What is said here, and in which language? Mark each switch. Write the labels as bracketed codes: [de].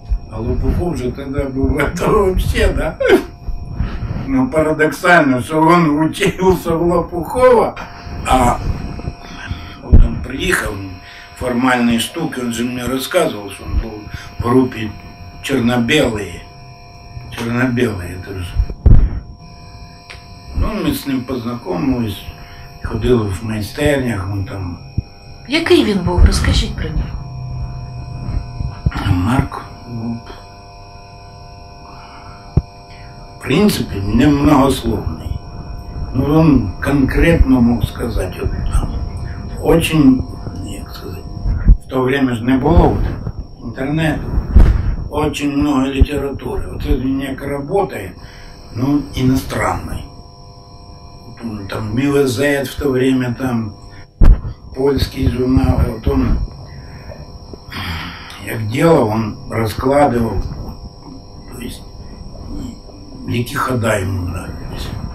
[ru] А Лопухов же тогда был это вообще, да? Ну парадоксально, что он учился в Лопухова, а вот он приехал, формальные штуки, он же мне рассказывал, что он был в группе Черно-белые, это же. Ну, мы с ним познакомились, ходили в майстернях, он там. [uk] Який він був? Розкажіть про нього. Марк, ну, в принципі, не многословний. Ну, він конкретно мог сказати, от там, очень, як сказати, в то время ж не було інтернету. [ru] Очень много литературы. Вот это меня работает, ну, иностранной. Там Милозет в то время, там, польский журнал. Вот он, как делал, он раскладывал, то есть, какие хода ему нравились.